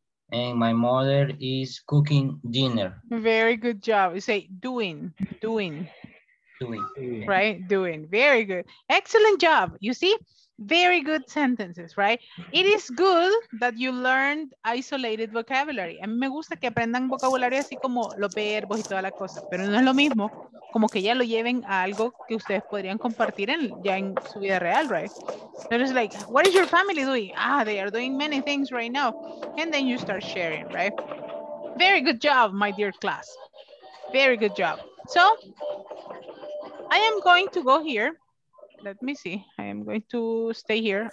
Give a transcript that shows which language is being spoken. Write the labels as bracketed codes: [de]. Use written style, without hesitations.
[en] And my mother is cooking dinner. Very good job. You say doing. Doing. Right? Doing. Very good. Excellent job. You see, Very good sentences, right? It is good that you learned isolated vocabulary. [es] A mí me gusta que aprendan vocabulario así como los verbos y toda la cosa, pero no es lo mismo como que ya lo lleven a algo que ustedes podrían compartir en, ya en su vida real, right? [en] So it's like, what is your family doing? Ah, they are doing many things right now. And then you start sharing, right? Very good job, my dear class. Very good job. So, I am going to go here. Let me see. I am going to stay here.